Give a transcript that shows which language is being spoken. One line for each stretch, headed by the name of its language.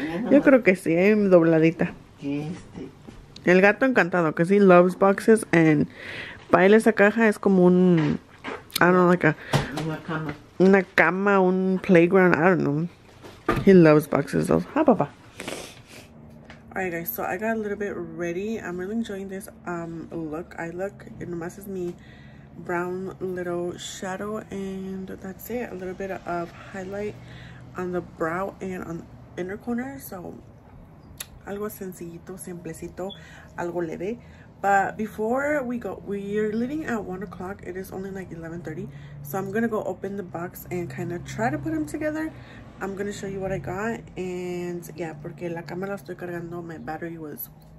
Spanish: Yo creo que sí, hay dobladita. Este. El gato encantado, que sí,
English: loves boxes.
Spanish: And para él esa caja es como un
English: I don't know, like a...
Spanish: Una cama. Una cama, un playground,
English: I don't know. He loves boxes though. Hi, Papa. Alright guys, so I got a little bit ready. I'm really enjoying this look. I look, it nomás is me, brown little shadow, and that's it. A little bit of highlight on the brow and on the inner corner.
Spanish: So, algo sencillito, simplecito, algo leve.
English: But before we go, we are leaving at 1 o'clock. It is only like 11:30. So I'm going to go open the box and kind of try to put them together. I'm going to show you what I got.
Spanish: And yeah, porque la cámara estoy cargando,
English: my battery was.